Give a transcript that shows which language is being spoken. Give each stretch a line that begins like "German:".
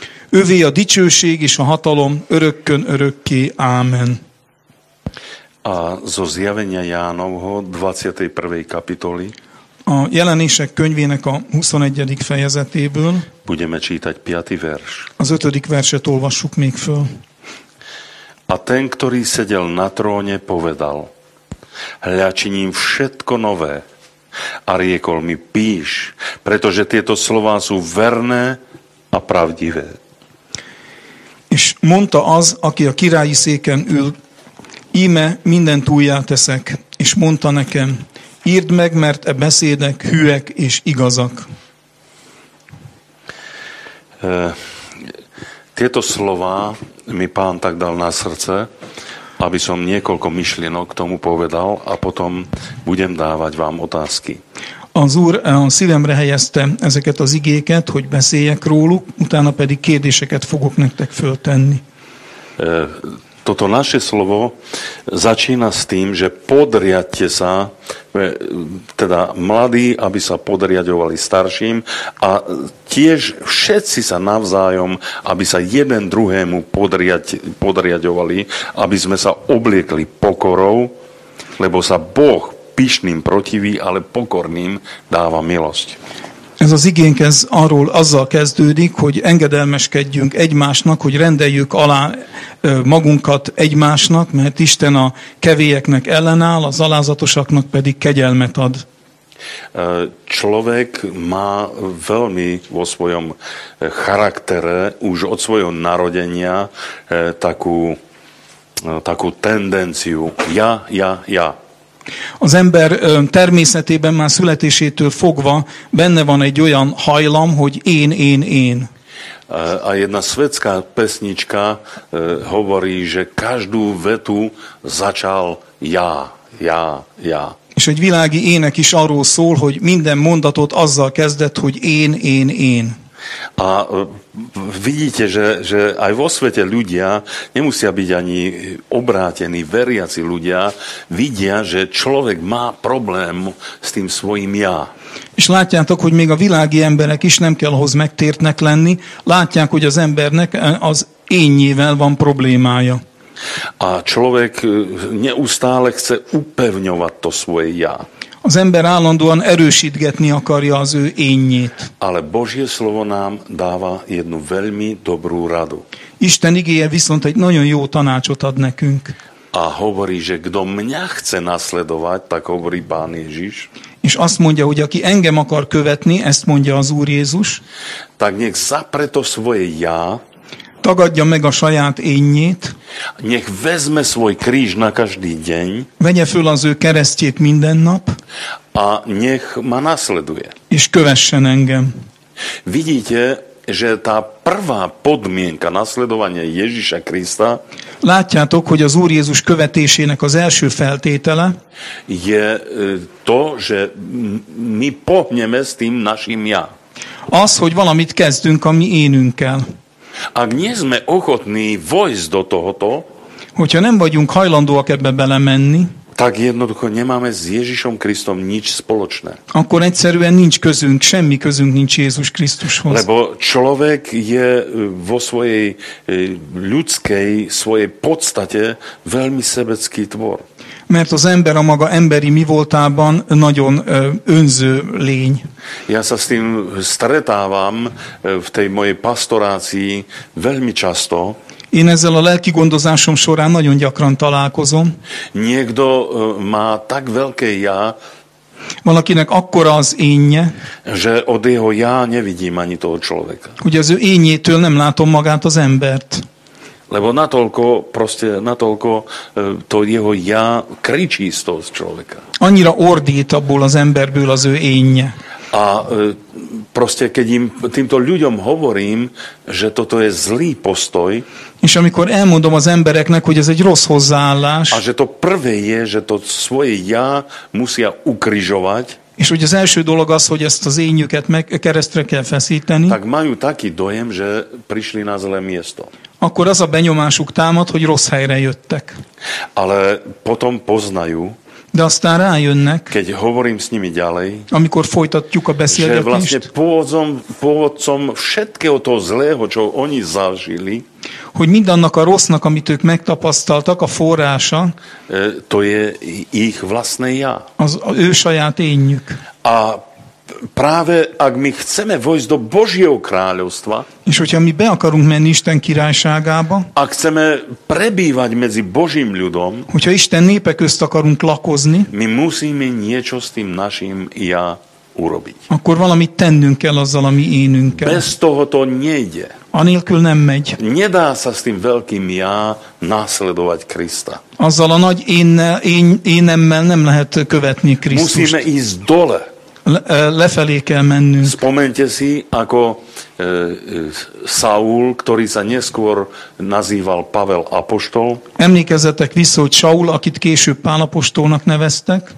Hungarian: Ővé a dicsőség és a hatalom örökkön örökké. Amen.
Slovak: A zo zjavenia Jánovho 21. kapitoly.
Hungarian: A jelenések könyvének a 21. fejezetéből
Slovak: budeme čítať 5. verš.
Hungarian: Az 5. verset olvassuk még föl.
Slovak: A ten, ktorý sedel na tróne, povedal: Hľa, činím všetko nové. A riekol mi: Píš, pretože tieto slová sú verné a pravdivé.
Hungarian: És mondta az, aki a királyi széken ül: Íme, mindent újjá teszek. És mondta nekem: Írd meg, mert e beszédek hűek és igazak.
Slovak: Tieto slová mi pán tak dal na srdce, aby som niekoľko myšlienok k tomu povedal a potom budem dávať vám otázky.
Hungarian: Az Úr a szívemre helyezte ezeket az igéket, hogy beszéljek róluk, utána pedig kérdéseket fogok nektek föltenni.
Slovak: Toto naše slovo začína s tým, že podriadte sa, teda mladí, aby sa podriadovali starším, a tiež všetci sa navzájom, aby sa jeden druhému podriadovali, aby sme sa obliekli pokorou, lebo sa Boh pyšným protiví, ale pokorným dáva milosť.
Hungarian: Ez az igénk, ez arról azzal kezdődik, hogy engedelmeskedjünk egymásnak, hogy rendeljük alá magunkat egymásnak, mert Isten a kevélyeknek ellenáll, az alázatosaknak pedig kegyelmet ad.
Slovak: Človek má veľmi vo svojom charaktere, už od svojho narodenia, takú tendenciu ja.
Hungarian: Az ember természetében már születésétől fogva benne van egy olyan hajlam, hogy én.
Slovak: A jedna svetská pesnička hovorí, že každú vetu začal ja.
Hungarian: És egy világi ének is arról szól, hogy minden mondatot azzal kezdett, hogy én.
Slovak: A vidíte, že aj vo svete ľudia, nemusia byť ani obrátení, veriaci ľudia, vidia, že človek má problém s tým svojím ja.
Hungarian: És látjátok, hogy még a világi emberek is nem kell ahhoz megtértnek lenni, látják, hogy az embernek az énjével van problémája.
Slovak: A človek neustále chce upevňovať to svoje ja.
Hungarian: Az ember állandóan erősítgetni akarja az ő énjét.
Slovak: Ale Božie slovo nám dáva jednu veľmi dobrú radu.
Hungarian: Isten igéje viszont egy nagyon jó tanácsot ad nekünk.
Slovak: A hovorí, že kdo mňa chce nasledovať, tak hovorí Pán Ježiš.
Hungarian: És azt mondja, hogy aki engem akar követni, ezt mondja az Úr Jézus.
Slovak: Tak nech zapre to svoje ja.
Hungarian: Tagadja meg a saját énjét.
Slovak: Nech vezme svoj kríž na každý deň.
Hungarian: Vegye föl az ő keresztjét minden nap.
Slovak: A nech ma nasleduje.
Hungarian: És kövessen engem.
Slovak: Vidíte, že tá prvá podmienka nasledovania Ježiša Krista.
Hungarian: Látjátok, hogy az Úr Jézus követésének az első feltétele.
Slovak: Je to, že mi pohneme s tým našim ja.
Hungarian: Az, hogy valamit kezdünk a mi énünkkel.
Slovak: Ak nie sme ochotní vojsť do tohoto,
Hungarian: hogyha nem vagyunk hajlandóak ebbe belemenni,
Slovak: tak jednoducho nemáme s Ježišom Kristom nič spoločné.
Hungarian: Akkor egyszerűen nincs közünk, semmi közünk nincs Jézus Krisztushoz.
Slovak: Lebo človek je vo svojej ľudskej, svojej podstate veľmi sebecký tvor.
Hungarian: Mert az ember a maga emberi mi voltában nagyon önző lény.
Slovak: Ja sa s tým stretávam v tej mojej pastorácii veľmi často.
Hungarian: Én ezzel a lelki gondozásom során nagyon gyakran találkozom.
Slovak: Niekto má tak veľké ja,
Hungarian: valakinek akkora az énje,
Slovak: že od jeho ja nevidím ani toho človeka.
Hungarian: Ugye az ő énjétől nem látom magát az embert.
Slovak: Lebo natoľko, proste natoľko to jeho ja kričí z toho človeka.
Hungarian: Annyira ordít abból az emberből az ő énje.
Slovak: A proste keď im, týmto ľuďom hovorím, že toto je zlý postoj.
Hungarian: És amikor elmondom az embereknek, hogy ez egy rossz hozzáállás.
Slovak: A že to prvé je, že to svoje ja musia ukrižovať.
Hungarian: És hogy az első dolog az, hogy ezt az énjüket meg keresztre kell feszíteni.
Slovak: Tak majú taký dojem, že prišli na zlé miesto.
Hungarian: Akkor az a benyomásuk támad, hogy rossz helyre jöttek.
Slovak: Ale potom poznajú.
Hungarian: De aztán rájönnek.
Slovak: Keď hovorím s nimi ďalej.
Hungarian: Amikor folytatjuk a beszélgetést.
Slovak: Že vlastne pôvodcom všetkého toho zlého, čo oni zažili.
Hungarian: Hogy mindannak a rossznak, amit ők megtapasztaltak, a forrása,
Slovak: to je ich vlastné já.
Hungarian: Az ő saját énjük.
Slovak: A práve ak my chceme vojsť do Božieho kráľovstva,
Hungarian: és hogyha mi be akarunk menni Isten királyságába,
Slovak: a chceme prebývať medzi Božím ľudom,
Hungarian: hogyha Isten népe közt akarunk lakozni,
Slovak: my musíme niečo s tým našim já urobiť.
Hungarian: Akkor valamit tennünk kell azzal, ami énünkkel.
Slovak: Bez toho to nejde.
Hungarian: Anélkül nem megy.
Slovak: Nedá sa s tým veľkým já nasledovať Krista.
Hungarian: Azzal a nagy énemmel nem lehet követni Krisztust.
Slovak: Musíme ísť dole.
Hungarian: Lefelé kell mennünk.
Slovak: Spomeňte si, ako Saul, ktorý sa neskôr nazýval Pavel apoštol.
Hungarian: Emlékezzetek vissza, hogy Saul, akit később Pál apostolnak neveztek.